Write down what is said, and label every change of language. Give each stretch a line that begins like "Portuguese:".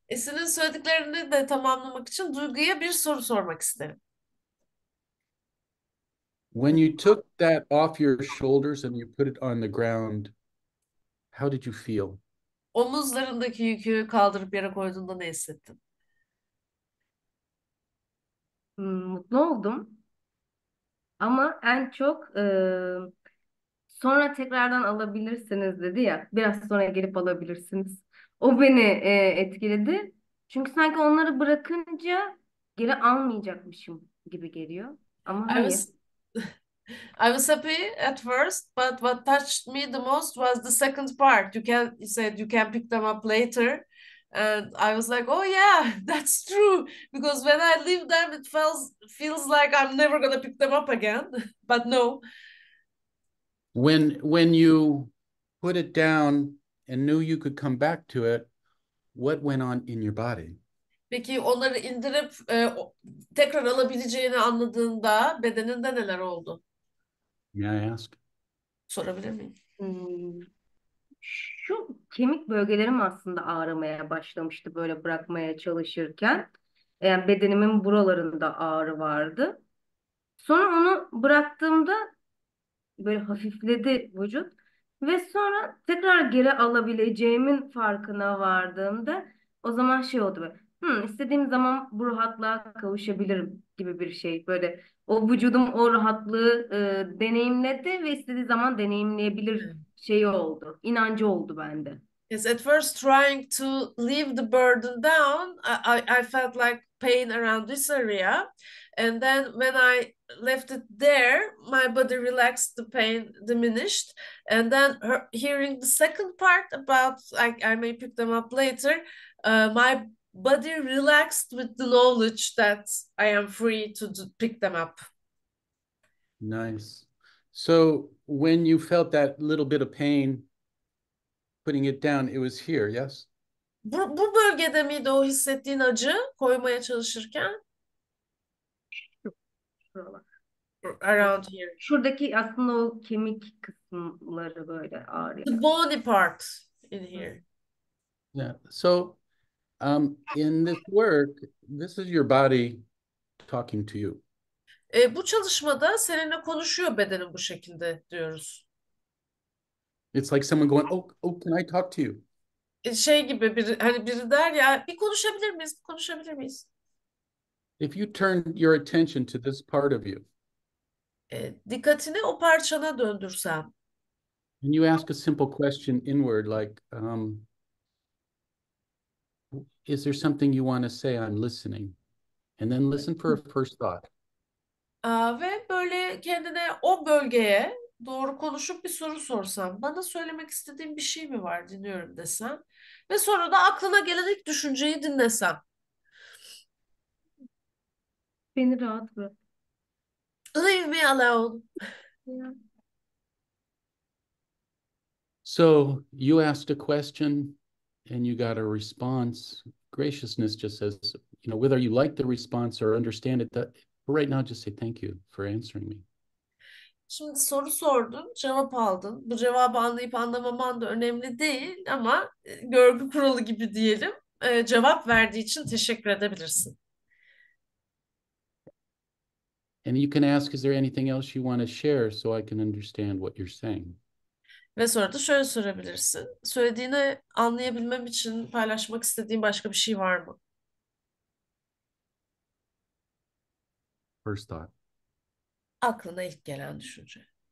Turkish: Esin'in söylediklerini de tamamlamak için Duygu'ya bir soru sormak isterim.
English: When you took that off your shoulders and you put it on the ground, how did you feel?
Turkish: Omuzlarındaki yükü kaldırıp yere koyduğunda ne hissettin? Mutlu oldum. Ama en çok sonra tekrardan alabilirsiniz dedi ya. Biraz sonra gelip alabilirsiniz. O beni etkiledi. Çünkü sanki onları bırakınca geri almayacakmışım gibi geliyor. Ama hayır.
English: I was happy at first, but what touched me the most was the second part. You said you can pick them up later. And I was like, oh yeah, that's true. Because when I leave them, it feels like I'm never gonna pick them up again. But no. When you put it down and knew you could come back to it, what went on in your body?
Turkish: Peki onları indirip tekrar alabileceğini anladığında bedeninde neler oldu?
English: May I ask?
Turkish: Sorabilir miyim? Şu kemik bölgelerim aslında ağrımaya başlamıştı böyle bırakmaya çalışırken. Yani bedenimin buralarında ağrı vardı. Sonra onu bıraktığımda böyle hafifledi vücut. Ve sonra tekrar geri alabileceğimin farkına vardığımda o zaman şey oldu böyle. İstediğim zaman bu rahatlığa kavuşabilirim gibi bir şey. Böyle o vücudum o rahatlığı deneyimledi ve istediği zaman deneyimleyebilir şeyi oldu. İnancı oldu bende.
English: Yes, at first trying to leave the burden down, I felt like pain around this area. And then when I left it there, my body relaxed, the pain diminished. And then hearing the second part about like I may pick them up later, my body relaxed with the knowledge that I am free to pick them up. Nice. So when you felt that little bit of pain putting it down, it was here, yes?
Turkish: Bu bölgede miydi o hissettiğin acı koymaya çalışırken? Şuralar.
English: Around here.
Turkish: Şuradaki aslında o kemik kısımları böyle
English: The
Turkish: ağrıyor.
English: bony part in here. Yeah. So in this work, this is your body talking to you.
Turkish: Bu çalışmada seninle konuşuyor bedenin bu şekilde diyoruz.
English: It's like someone going, oh, can I talk to you?
Turkish: Şey gibi bir hani biri der ya bir konuşabilir miyiz? Bir konuşabilir miyiz?
English: If you turn your attention to this part of you, and
Turkish: Dikkatini o parçana döndürsem.
English: you ask a simple question inward, like, is there something you want to say? I'm listening. And then listen for a first thought.
Turkish: Ve böyle kendine o bölgeye doğru konuşup bir soru sorsam, bana söylemek istediğim bir şey mi var dinliyorum desem ve sonra da aklına gelen ilk düşünceyi dinlesem. Beni rahat bırak.
English: Leave me Yeah. So you asked a question and you got a response. Graciousness just says, you know, whether you like the response or understand it, that right now just say thank you for answering me.
Turkish: Şimdi soru sordun, cevap aldın. Bu cevabı anlayıp anlamaman da önemli değil ama görgü kuralı gibi diyelim. Cevap verdiği için teşekkür edebilirsin.
English: And you can ask, is there anything else you want to share so I can understand what you're saying?
Turkish: Ve sonra da şöyle sorabilirsin. Söylediğini anlayabilmem için paylaşmak istediğin başka bir şey var mı?
English: First thought.
Turkish: Aklına ilk gelen düşünce.